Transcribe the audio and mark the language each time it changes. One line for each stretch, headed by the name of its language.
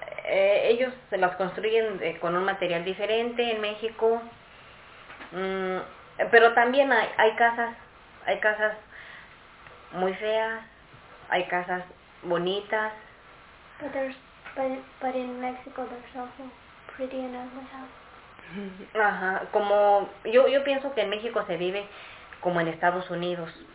Spanish: Ellos se las construyen con un material diferente en México. Pero también hay casas muy feas, hay casas bonitas.
English: But in Mexico there's also pretty and ugly houses.
Spanish: Ajá, como yo pienso que en México se vive como en Estados Unidos.